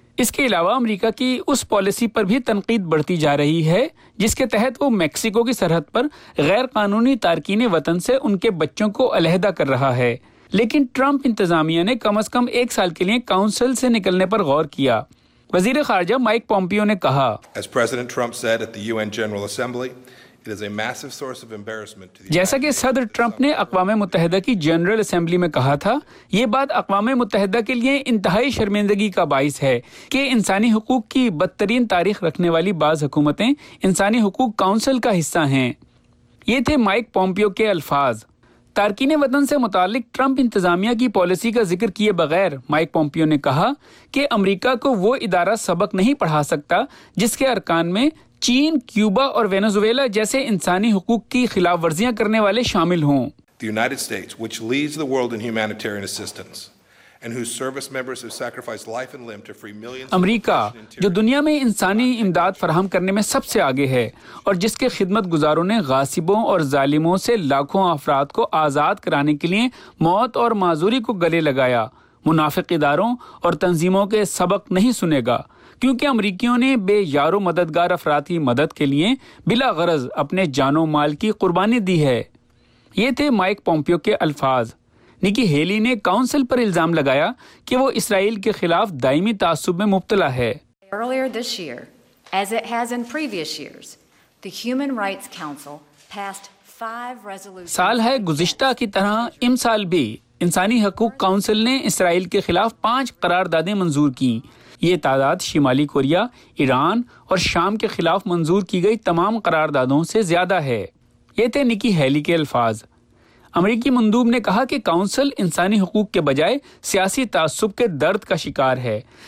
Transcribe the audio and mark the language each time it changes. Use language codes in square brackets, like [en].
[ur] اس کے علاوہ امریکہ کی اس پالیسی پر بھی تنقید بڑھتی جا رہی ہے جس کے تحت وہ میکسیکو کی سرحد پر غیر قانونی تارکین وطن سے ان کے بچوں کو علیحدہ کر رہا ہے. لیکن ٹرمپ انتظامیہ نے کم از کم ایک سال کے لیے کونسل سے نکلنے پر غور کیا. وزیر خارجہ مائیک پومپیو نے کہا, [en] As President Trump said at the UN General Assembly, it is a massive source of embarrassment to the [ur] جیسا کہ صدر ٹرمپ نے اقوام متحدہ کی جنرل اسمبلی میں کہا تھا, یہ بات اقوام متحدہ کے لیے انتہائی شرمندگی کا باعث ہے کہ انسانی حقوق کی بدترین تاریخ رکھنے والی بعض حکومتیں انسانی حقوق کونسل کا حصہ ہیں. یہ تھے مائیک پومپیو کے الفاظ. تارکین وطن سے متعلق ٹرمپ انتظامیہ کی پالیسی کا ذکر کیے بغیر مائیک پومپیو نے کہا کہ امریکہ کو وہ ادارہ سبق نہیں پڑھا سکتا جس کے ارکان میں چین, کیوبا اور وینزویلا جیسے انسانی حقوق کی خلاف ورزیاں کرنے والے شامل ہوں. [en] The United States, which leads the world in humanitarian assistance and whose service members have sacrificed life and limb to free millions [ur] of امریکہ جو دنیا میں انسانی امداد فراہم کرنے میں سب سے آگے ہے, اور جس کے خدمت گزاروں نے غاصبوں اور ظالموں سے لاکھوں افراد کو آزاد کرانے کے لیے موت اور معذوری کو گلے لگایا, منافق اداروں اور تنظیموں کے سبق نہیں سنے گا, کیونکہ امریکیوں نے بے یار و مددگار افراد کی مدد کے لیے بلا غرض اپنے جان و مال کی قربانی دی ہے. یہ تھے مائیک پومپیو کے الفاظ. نکی ہیلی نے کاؤنسل پر الزام لگایا کہ وہ اسرائیل کے خلاف دائمی تعصب میں مبتلا ہے. [en] Earlier this year, as it has in previous years, the Human Rights Council passed five resolutions. [ur] سال ہے گزشتہ کی طرح ام سال بھی انسانی حقوق کاؤنسل نے اسرائیل کے خلاف پانچ قراردادیں منظور کیں. یہ تعداد شمالی کوریا, ایران اور شام کے خلاف منظور کی گئی تمام قراردادوں سے زیادہ ہے. یہ تھے نکی ہیلی کے الفاظ. امریکی مندوب نے کہا کہ کونسل انسانی حقوق کے بجائے سیاسی تعصب کے درد کا شکار ہے.